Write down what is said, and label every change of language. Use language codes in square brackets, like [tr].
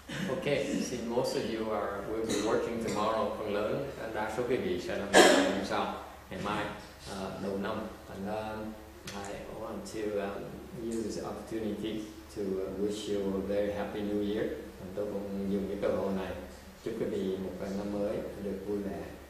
[en] Okay, see, most of you will be working tomorrow [vi] phần lớn, and đa số quý vị sẽ làm việc ngày hôm sau, ngày mai, đầu năm. [en] And I want to use the opportunity to wish you a very happy new year. [vi] And tôi cũng dùng cái cơ hội này chúc quý vị một năm mới được vui vẻ.